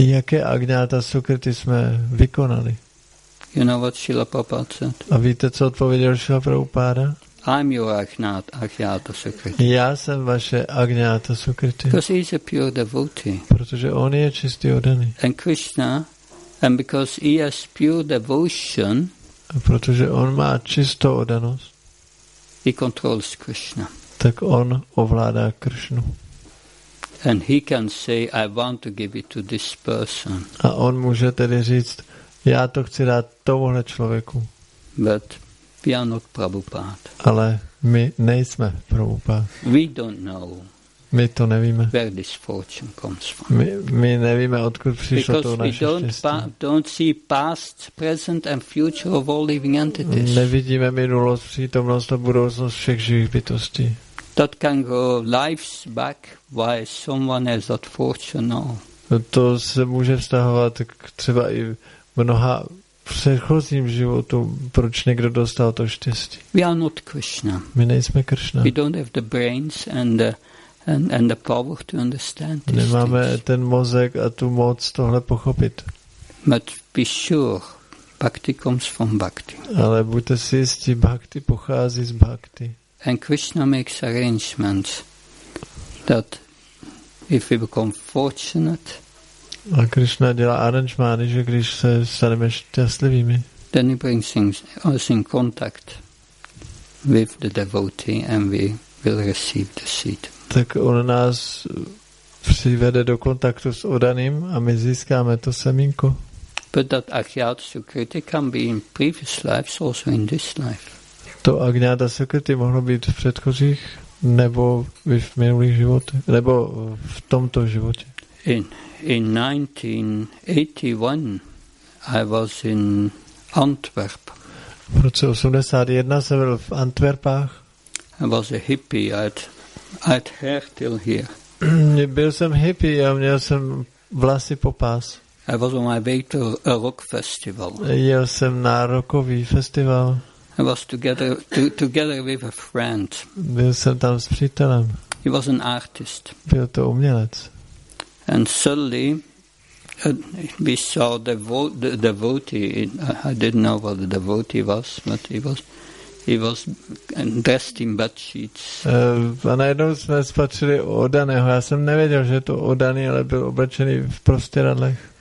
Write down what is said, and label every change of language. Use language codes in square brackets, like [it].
[cs] Jaké agnyata sukriti jsme vykonali? [en] You know what Srila Prabhupada said? [cs] A víte, co odpověděl Srila Prabhupada? [en] I'm your Agnata Sukriti. [cs] Já jsem vaše Agnata Sukriti. [en] Because he's a pure devotee. [cs] Protože on je čistý oddaný. [en] And Krishna, and because he has pure devotion. [cs] A protože on má čistou oddanost. [en] He controls Krishna. [cs] Tak on ovládá Krishnu. [en] And he can say, I want to give it to this person. [cs] A on může tedy říct, já to chci dát tomuhle člověku. [en] But we are not Prabhupada. [cs] Ale my nejsme Prabhupada. [en] We don't know. [cs] My to nevíme. [en] Where this fortune comes from. [cs] My nevíme, odkud přišlo to naše štěstí. [en] Because we don't see past, present and future of all living entities. [cs] Nevidíme minulost, přítomnost a budoucnost všech živých bytostí. [en] That can go lives back why someone has that fortune now. [cs] To se může vztahovat k třeba i mnoha předchozím životu, proč někdo dostal to štěstí. [en] We are not Krishna. [cs] My nejsme Krishna. [en] We don't have the brains and the power to understand this. [cs] Nemáme ten mozek a tu moc tohle pochopit. [en] But be sure, bhakti comes from bhakti. [cs] Ale buďte si jistí, bhakti pochází z bhakti. [en] And Krishna makes arrangements that if we become fortunate, [cs] a Krishna dělá aranžmány, že když se staneme šťastlivými, [en] then he brings us in contact with the devotee and we will receive the seed. [cs] Tak on nás přivede do kontaktu s oddaným a my získáme to semínko. [en] But that Agnata Sukriti can be in previous lives, also in this life. [cs] To Agnata Sukriti mohlo být v předchozích nebo v minulých životech, nebo v tomto životě. [en] In 1981 I was in Antwerp. [cs] V roce 81 jsem byl v Antwerpách. [en] I was a hippie. I'd hair till here. [cs] Byl jsem hippie a měl jsem vlasy po pás. [en] I was on my way to a rock festival. [cs] Jel jsem na rockový festival. [en] I was together with a friend. [cs] Byl jsem tam s přítelem. [en] He was an artist. [cs] Byl to umělec. [en] And suddenly we saw the devotee. I didn't know what the devotee was, but he was dressed in bed sheets. [cs] A najednou jsme spatřili oddaného. Já jsem nevěděl, že je to oddaný, ale byl oblečený v prostěradlech.